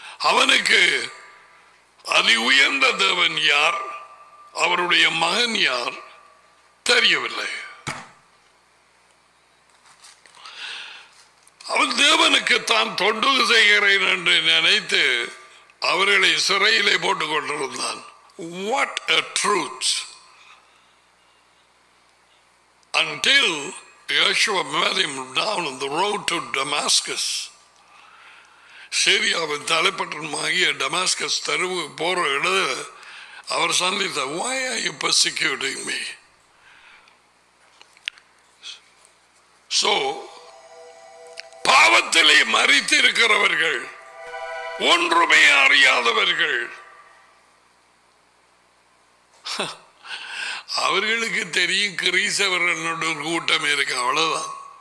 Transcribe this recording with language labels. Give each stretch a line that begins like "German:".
Tamil: அவனுக்கு அதி உயர்ந்த தேவன் யார், அவருடைய மகன் யார் தெரியவில்லை. அவன் தேவனுக்கு தான் தொண்டு செய்கிறேன் என்று நினைத்து அவர்களை சிறையிலே போட்டுக் கொண்டிருந்தான்.
English: What a truth! Until Yeshua met him down on the road to Damascus.
Tamil: சிரியாவின் தலைப்பட்டமாகிய டமாஸ்கஸ் தெருவு போற இடத்துல அவர் சந்தித்த
English: Why are you persecuting me?
Tamil: So, பாவத்திலே மரித்திருக்கிறவர்கள், ஒன்றுமே அறியாதவர்கள், அவர்களுக்கு தெரியும் கிறிஸ்தவர் என்னோட ஒரு கூட்டம் இருக்கு, அவ்வளவுதான்.